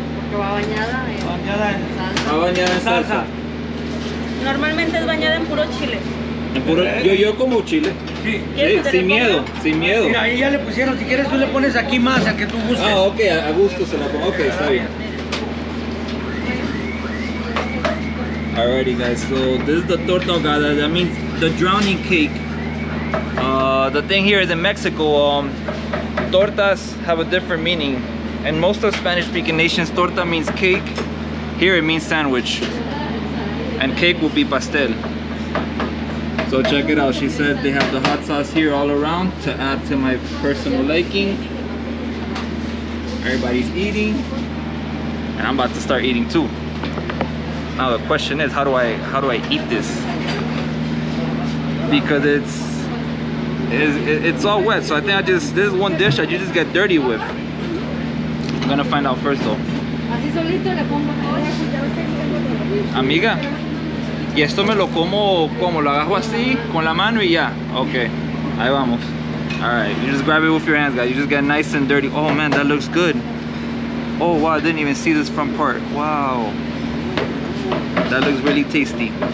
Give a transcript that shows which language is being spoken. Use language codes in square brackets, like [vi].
[es] Porque va bañada en, salsa. Va bañada en salsa. Salsa. Normalmente es bañada en puro chile. Yo como chile. Sí. Sí, sin miedo, ponga? Sin miedo. Mira, ahí ya le pusieron, si quieres tú le pones aquí más, al que tú gustes. Ah, ok, a gusto se la pongo. Ok, está bien. [en] Alrighty guys, so this is the torta ahogada, that means the drowning cake. The thing here is in Mexico, tortas have a different meaning. In most of Spanish-speaking nations, torta means cake. Here it means sandwich. And cake will be pastel. So check it out, she said they have the hot sauce here all around to add to my personal liking. Everybody's eating. And I'm about to start eating too. Now the question is, how do I eat this? Because it's all wet, so I think this is one dish that you just get dirty with. I'm gonna find out first though. Amiga. [es] Y esto me lo como, lo agajo así, con la mano y ya. Okay, ahí vamos. [en] All right, you just grab it with your hands, guys. You just get nice and dirty. Oh man, that looks good. Oh wow, I didn't even see this front part. Wow. That looks really tasty.